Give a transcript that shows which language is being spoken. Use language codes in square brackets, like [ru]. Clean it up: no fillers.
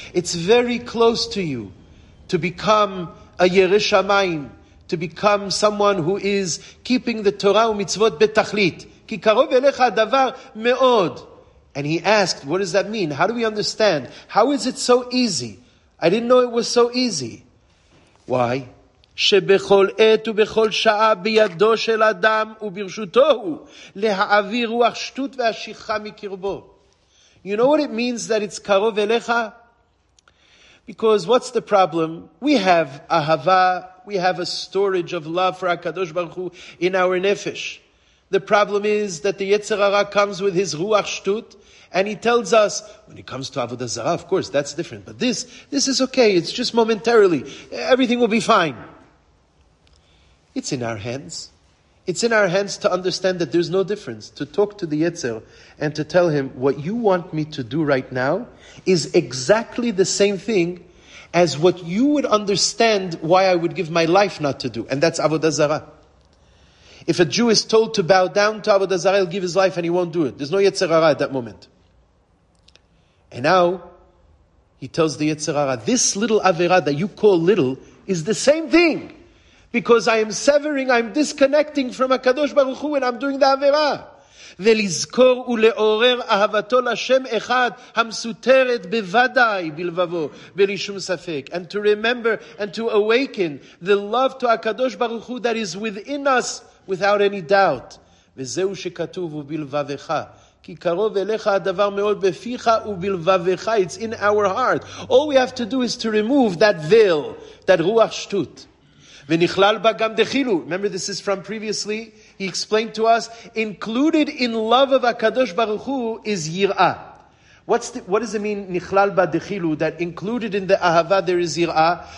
[en] It's very close to you to become a yereshamayim, to become someone who is keeping the Torah u'mitzvot betachlit. [he] Ki karov elecha davar meod. [en] And he asked, what does that mean? How do we understand? How is it so easy? I didn't know it was so easy. Why? [he] שבכל עת ובכל שעה בידו של אדם וברשותו הוא להעביר רוח שטות והשיחה מקרבו. [en] You know what it means that it's [he] קרוב אליך? [en] Because what's the problem? We have ahava, we have a storage of love for HaKadosh Baruch Hu in our nefesh. The problem is that the Yetzer Hara comes with his ruach shtut, and he tells us, when it comes to Avodah Zarah, of course, that's different. But this is okay, it's just momentarily. Everything will be fine. It's in our hands. It's in our hands to understand that there's no difference. To talk to the Yetzer and to tell him, what you want me to do right now is exactly the same thing as what you would understand why I would give my life not to do. And that's Avodah Zarah. If a Jew is told to bow down to Avodah Zarah, he'll give his life and he won't do it. There's no Yetzer Hara at that moment. And now, he tells the Yetzer Hara, this little Avera that you call little is the same thing. Because I am severing, I'm disconnecting from HaKadosh Baruch Hu and I'm doing the Avera. [he] ולזכור ולעורר אהבתו לשם אחד המסותרת בוודאי בלבבו בלי שום ספק. [en] And to remember and to awaken the love to HaKadosh Baruch Hu that is within us without any doubt. [he] וזהו שכתוב ובלבבך. כי קרוב אליך הדבר מאוד בפיך ובלבבך. [en] It's in our heart. All we have to do is to remove that veil, that ruach shtut. [he] ונכלל בה גם דחילו. [en] Remember, this is from previously. He explained to us, included in love of HaKadosh Baruch Hu is yira. What does it mean, [he] nichlal ba dechilu, [en] that included in the ahava there is yira?